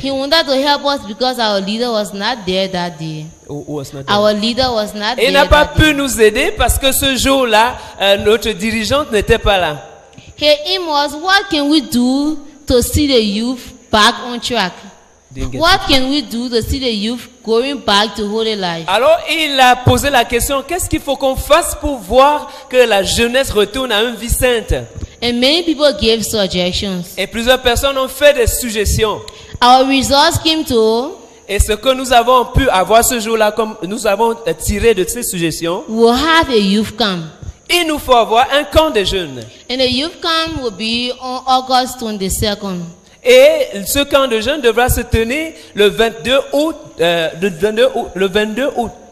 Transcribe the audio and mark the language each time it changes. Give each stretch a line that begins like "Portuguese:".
English: He wanted to help us because our leader was not there that day.
French: Il n'a pas pu nous aider parce que ce jour-là, notre dirigeante n'était pas là.
English: He asked, "What can we do to see the youth back on track? What can we do to see the youth going back to holy life?"
French: Alors il a posé la question, qu'est-ce qu'il faut qu'on fasse pour voir que la jeunesse retourne à une vie sainte?
English: And many people gave suggestions.
French: Et plusieurs personnes ont fait des suggestions.
English: Our results came to.
French: Et ce que nous avons pu avoir ce jour-là, comme nous avons tiré de ces suggestions,
English: we'll have a youth camp.
French: Il nous faut avoir un camp de jeunes.
English: And the youth camp will be on August 22nd.
French: Et ce camp de jeunes devra se tenir le 22 août.